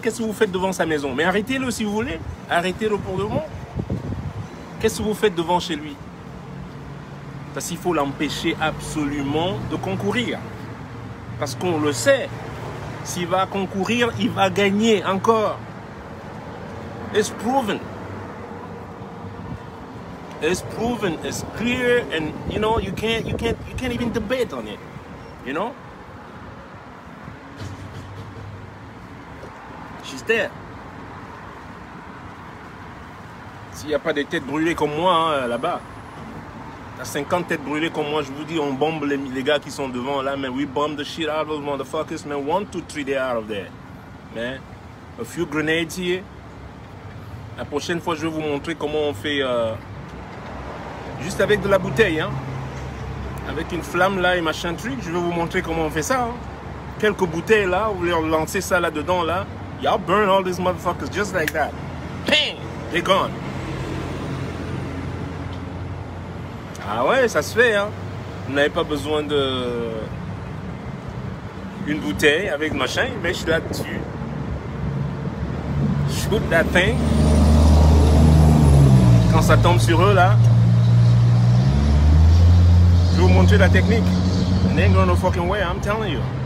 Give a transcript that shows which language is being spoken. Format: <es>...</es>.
<fr>Qu'est-ce que vous faites devant sa maison? Mais arrêtez-le si vous voulez. Arrêtez-le pour de bon. Qu'est-ce que vous faites devant chez lui? Parce qu'il faut l'empêcher absolument de concourir. Parce qu'on le sait, s'il va concourir, il va gagner encore.</fr> <en>It's proven. It's proven, it's clear, and you know, you can't even debate on it. You know? She's there.</en> <fr>S'il n'y a pas des têtes brûlées comme moi, hein, là-bas. 50 têtes brûlées comme moi, je vous dis, on bombe les gars qui sont devant là, mais</fr> <en>we bomb the shit out of motherfuckers, man. 1, 2, 3, they are out of there. Man, a few grenades here.</en> <fr>La prochaine fois, je vais vous montrer comment on fait. Juste avec de la bouteille, hein. Avec une flamme là et machin truc, je vais vous montrer comment on fait ça. Hein? Quelques bouteilles là, vous voulez lancer ça là-dedans, là.</fr> <en>Y'all burn all these motherfuckers just like that. Bang! They're gone.</en> <fr>Ah ouais, ça se fait, hein. Vous n'avez pas besoin de... une bouteille avec machin, mais je suis là-dessus.</fr> <en>Shoot that thing.</en> <fr>Quand ça tombe sur eux, là. Je vais vous montrer la technique.</fr> <en>They ain't going no fucking way, I'm telling you.</en>